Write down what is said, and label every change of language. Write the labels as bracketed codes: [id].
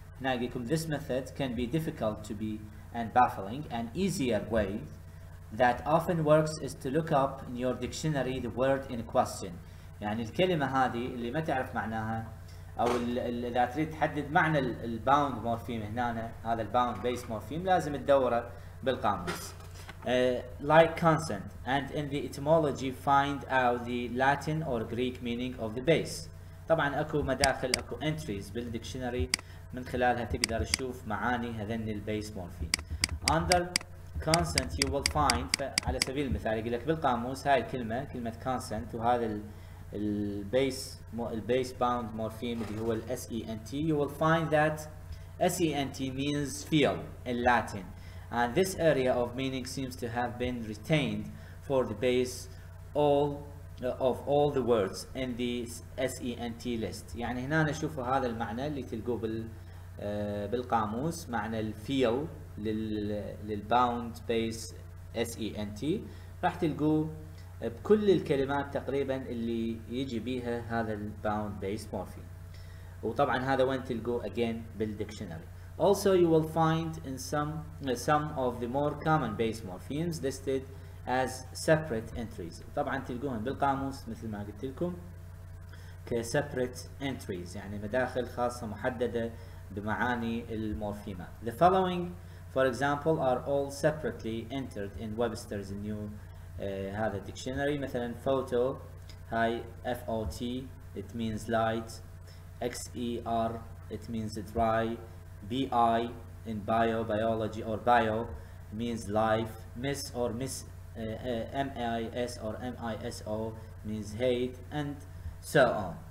[en] Now, because this method can be difficult to be and baffling, an easier way that often works is to look up in your dictionary the word in question. [ar] يعني الكلمة هذه اللي ما تعرف معناها أو إذا تريد تحدد معنى ال bound morpheme هنا هذا ال bound base morpheme لازم تدوره بالقاموس. [en] Like consent, and in the etymology find out the Latin or Greek meaning of the base. [ar] طبعا أكو مداخل أكو entries بالdictionary. من خلالها تقدر تشوف معاني هذني البيس مورفين. [en] Under consent you will find [ar] على سبيل المثال يقول لك بالقاموس هاي الكلمة كلمة consent وهذا البيس البيس باوند مورفين اللي هو [en] S-E-N-T you will find that S-E-N-T means feel in Latin and this area of meaning seems to have been retained for the base all of all the words in the S-E-N-T list. [ar] يعني هنا نشوفوا هذا المعنى اللي تلقوه بالقاموس معنى الفيل للباوند بيس S-E-N-T راح تلقوه بكل الكلمات تقريبا اللي يجي بيها هذا الباوند بيس مورفين. وطبعا هذا وين تلقوه again بالدكشنري. [en] Also you will find in some of the more common base morphemes listed as separate entries. [ar] طبعا تلقوهم بالقاموس مثل ما قلت لكم ك [en] separate entries [ar] يعني مداخل خاصة محددة بمعاني المورفيمات. [en] The following for example are all separately entered in Webster's new هذا dictionary. مثلا photo هاي F-O-T it means light, X-E-R it means dry, B-I in bio, biology or bio means life, miss or miss M-I-S or M-I-S-O means hate and so on.